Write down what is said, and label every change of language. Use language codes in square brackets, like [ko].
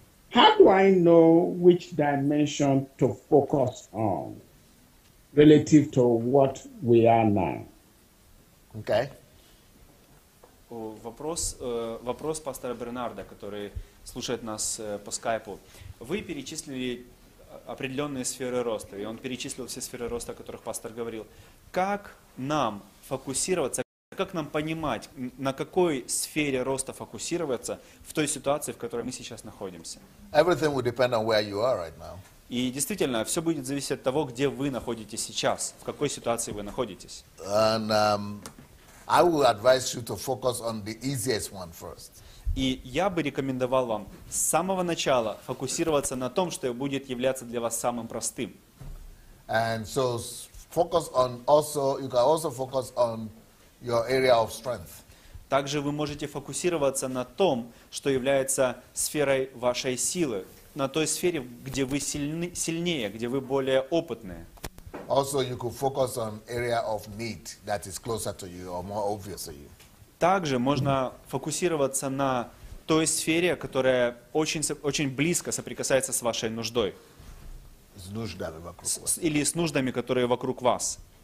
[en] How do I know which dimension to focus on relative to what we are now? Okay. [ru] Вопрос пастора Бернарда, который слушает нас по скайпу. Вы перечислили определенные сферы роста, и он перечислил все сферы роста, о которых пастор говорил. Как нам фокусироваться, как нам понимать, на какой сфере роста фокусироваться в той ситуации, в которой мы сейчас находимся? [en] Everything will depend on where you are right now. [ru] И действительно, все будет зависеть от того, где вы находитесь сейчас, в какой ситуации вы находитесь. [en] And I would advise you to focus on the easiest one first. [ru] И я бы рекомендовал вам с самого начала фокусироваться на том, что будет являться для вас самым простым. [en] And so focus on also, you can also focus on your area of strength. [ru] Также вы можете фокусироваться на том, что является сферой вашей силы, на той сфере, где вы сильнее, где вы более опытные. [en] Also, you could focus on area of need that is closer to you or more obvious to you. [ru] Также можно фокусироваться на той сфере, которая очень, очень близко соприкасается с вашей нуждой. С нуждами вокруг вас. Или с нуждами, которые вокруг вас.